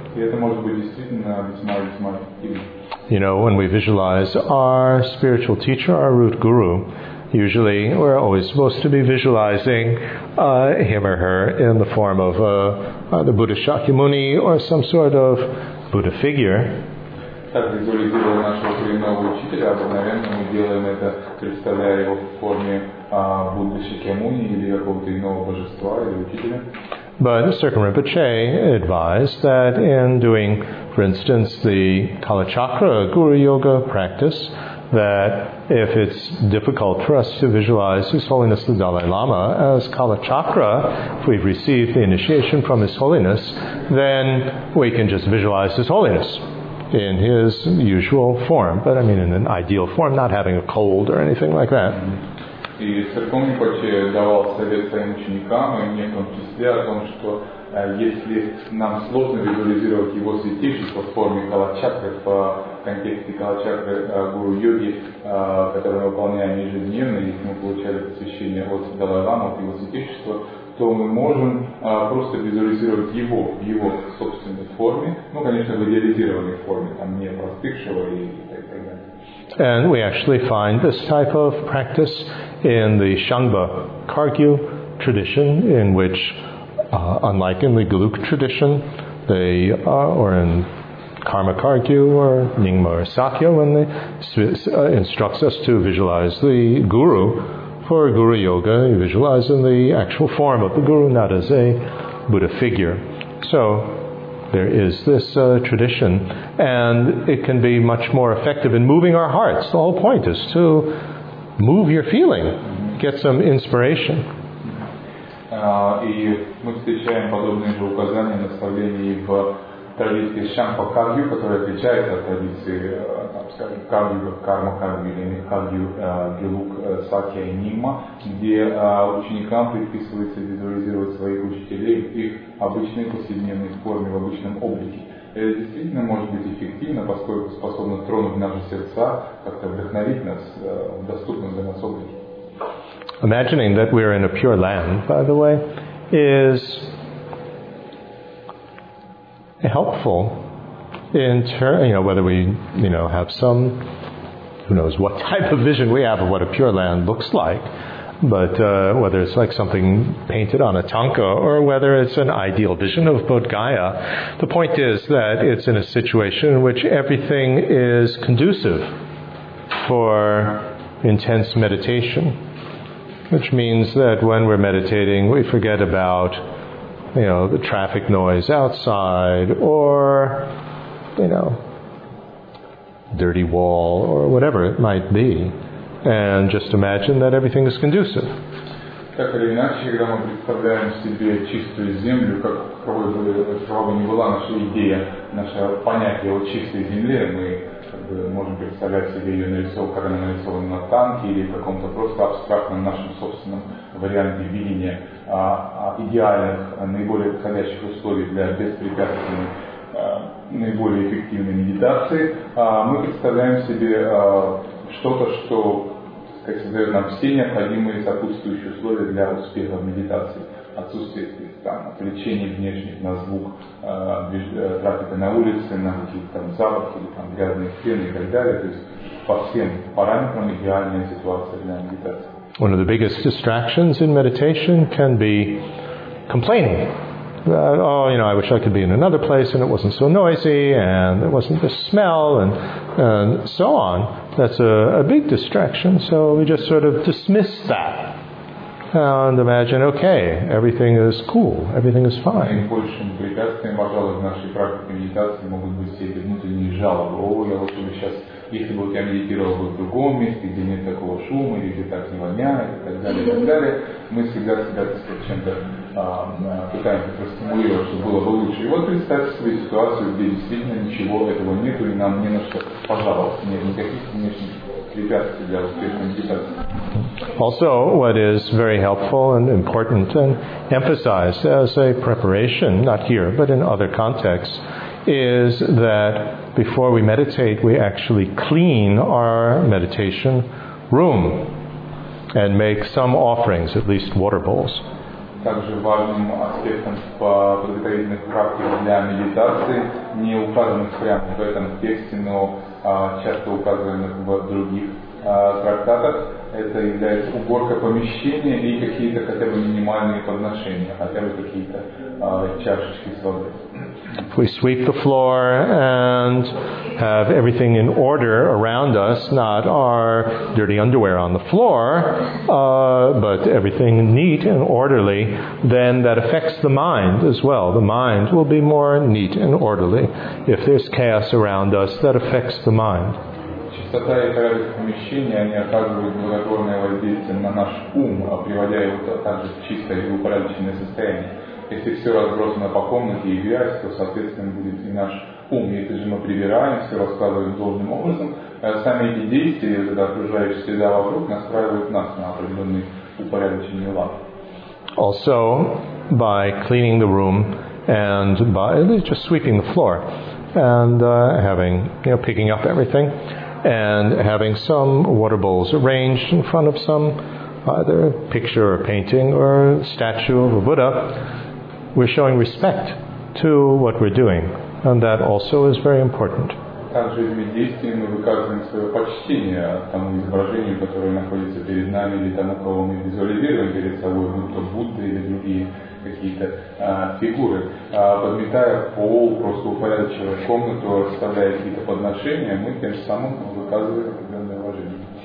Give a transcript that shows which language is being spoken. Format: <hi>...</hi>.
<ru>И это может быть действительно весьма-весьма эффективно.</ru> <en>You know, when we visualize our spiritual teacher, our root guru, usually we're always supposed to be visualizing him or her in the form of the Buddha Shakyamuni or some sort of Buddha figure.</en> <ru>Так визуализируя нашего коренного учителя, обыкновенно мы делаем это, представляя его в форме Будды Шакьямуни или какого-то иного божества или учителя.</ru> <en>But Sirkin Rinpoche advised that in doing for instance, the Kala Chakra Guru Yoga practice, that if it's difficult for us to visualize His Holiness the Dalai Lama as Kala Chakra, if we've received the initiation from His Holiness, then we can just visualize His Holiness in His usual form. But I mean, in an ideal form, not having a cold or anything like that.</en> <ru>И церковный почет давал совет своим ученикам, и в неком числе о том, что если нам сложно визуализировать Его святейшество в форме калачакры, в контексте калачакры гуру-йоги, который мы выполняем ежедневно, и мы получали посвящение от Далай-ламы, от Его святейшества, то мы можем просто визуализировать Его в Его собственной форме, ну, конечно, в идеализированной форме, там, не простывшего и так далее.</ru> <en>And we actually find this type of practice in the Shangba Kargyu tradition, in which, unlike in the Geluk tradition, they are, or in Karma Kargyu or Nyingma or Sakya, when they instructs us to visualize the Guru for Guru Yoga, you visualize in the actual form of the Guru, not as a Buddha figure. So there is this tradition, and it can be much more effective in moving our hearts. The whole point is to move your feeling, get some inspiration.</en> <ru>И мы встречаем подобные же указания на наставлении в традиции Шампа Кагью, которая отличается от традиции, скажем, Кагью, Карма Кагью, или Кагью, Гелук, Сакья и Нима, где ученикам предписывается визуализировать своих учителей в их обычной повседневной форме, в обычном облике. Это действительно может быть эффективно, поскольку способно тронуть наши сердца, как-то вдохновить нас в доступном для нас облике.</ru> <en>Imagining that we are in a pure land, by the way, is helpful in turn, you know, whether we, you know, have some, who knows what type of vision we have of what a pure land looks like, but whether it's like something painted on a tanka or whether it's an ideal vision of Bodh Gaya, the point is that it's in a situation in which everything is conducive for intense meditation. Which means that when we're meditating, we forget about, you know, the traffic noise outside, or, you know, dirty wall, or whatever it might be, and just imagine that everything is conducive.</en> <ru>Так или иначе, когда мы представляем себе чистую землю, какой бы ни была наша идея, наше понятие о чистой земле, мы как бы можем представлять себе ее нарисованной, как она нарисована на танке или в каком-то просто абстрактном нашем собственном варианте видения идеальных, наиболее подходящих условий для беспрепятственной, наиболее эффективной медитации, мы представляем себе что-то, что создает нам все необходимые сопутствующие условия для успеха в медитации. Отсутствие там, отвлечения внешних на звук трафика на улице, на какие-то там запахи, или, там, грязные стены и так далее. То есть по всем параметрам идеальная ситуация для медитации.</ru> <en>One of the biggest distractions in meditation can be complaining. Oh, you know, I wish I could be in another place and it wasn't so noisy and it wasn't the smell and so on. That's a big distraction, so we just sort of dismiss that and imagine, okay, everything is cool, everything is fine.</en> <ru>Наибольшим препятствием, пожалуй, в нашей практике медитации могут быть все эти внутренние жалобы. О, я вот сейчас, если бы я медитировал бы в другом месте, где нет такого шума, или где так не воняет, и так далее, мы всегда себя чем-то пытаемся простимулировать, чтобы было бы лучше. И вот представьте себе ситуацию, где действительно ничего этого нету, и нам не на что пожаловаться, нет никаких внешних препятствий для успешной медитации.</ru> <en>Also, what is very helpful and important and emphasized as a preparation, not here, but in other contexts, is that before we meditate, we actually clean our meditation room and make some offerings, at least water bowls.</en> <ru>Также важным аспектом в подготовительных практиках для медитации, не указанных прямо в этом тексте, но часто указанных в других трактатах, это является уборка помещения и какие-то хотя бы минимальные подношения, хотя бы какие-то чашечки с водой.</ru> <en>If we sweep the floor and have everything in order around us, not our dirty underwear on the floor, but everything neat and orderly, then that affects the mind as well. The mind will be more neat and orderly. If there's chaos around us, that affects the mind.</en> <ru>Чистота и порядок помещения, они оказывают благотворное воздействие на наш ум, приводя его также в чистое и упорядоченное состояние. Если все разбросано по комнате и грязь, то, соответственно, будет и наш ум. Если же мы прибираем, все раскладываем должным образом, сами эти действия, когда окружающая среда вокруг, настраивают нас на определенный упорядоченный лад.</ru> <en>Also, by cleaning the room and by just sweeping the floor and having, you know, picking up everything, and having some water bowls arranged in front of some either picture or painting or statue of a Buddha, we're showing respect to what we're doing, and that also is very important.</en> <ru>Также этими действиями мы выказываем свое почтение тому изображению, которое находится перед нами, или тому, кого мы визуализируем перед собой, будь то Будда или другие какие-то фигуры. Подметая пол, просто упорядочивая комнату, расставляя какие-то подношения, мы тем самым выказываем определенное уважение.</ru>